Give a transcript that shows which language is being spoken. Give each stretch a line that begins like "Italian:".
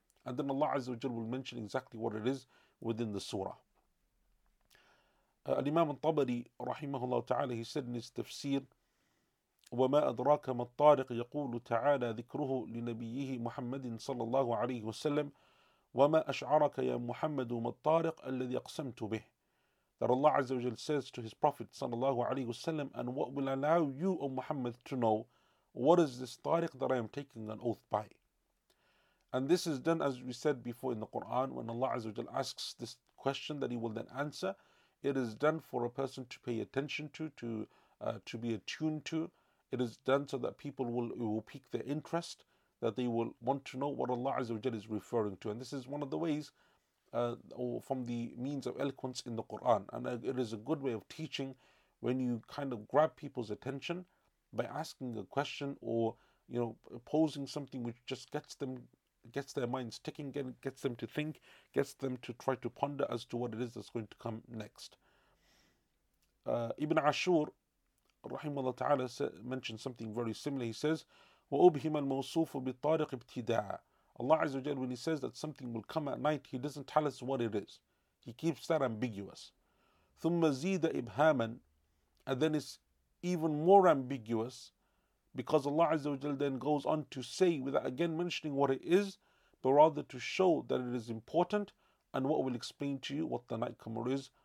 English: And then Allah Azza wa Jalla will mention exactly what it is within the surah. Al-Imam al-Tabari, rahimahullah ta'ala, he said in his tafsir,
Arabic: وَمَا أَدْرَاكَ مَا الطَّارِقِ يَقُولُ تَعَالَى ذِكْرُهُ لِنَبِيِّهِ مُحَمَّدٍ صَلَّى اللَّهُ عَلَيْهِ وَسَلَّمْ وَمَا أَشْعَرَكَ يَا مُحَمَّدُ مَا الطَّارِقَ الَّذِي أَقْسَمْتُ بِهِ.
English: That Allah Azza wa Jalla says to His Prophet sallallahu alayhi wasallam, and what will allow you, O Muhammad, to know what is this tariq that I am taking an oath by? And this is done, as we said before, in the Quran, when Allah Azza wa Jalla asks this question that He will then answer. It is done for a person to pay attention to be attuned to. It is done so that people will pique their interest, that they will want to know what Allah Azza wa Jalla is referring to. And this is one of the ways, or from the means of eloquence in the Quran. And it is a good way of teaching when you kind of grab people's attention by asking a question or, you know, posing something which just gets their minds ticking, gets them to think, gets them to try to ponder as to what it is that's going to come next. Ibn Ashur, rahimahullah ta'ala, mentioned something very similar. He says,
Arabic: وَأُبْهِمَ الْمَوْصُوفُ بِالطَّارِقِ ابْتِدَاءَ.
English: Allah Azza wa Jalla, when He says that something will come at night, He doesn't tell us what it is. He keeps that ambiguous.
Arabic: ثُمَّ زِيدَ إِبْهَامًا.
English: And then it's even more ambiguous, because Allah Azza wa Jalla then goes on to say, without again mentioning what it is, but rather to show that it is important, and what will explain to you what the nightcomer is.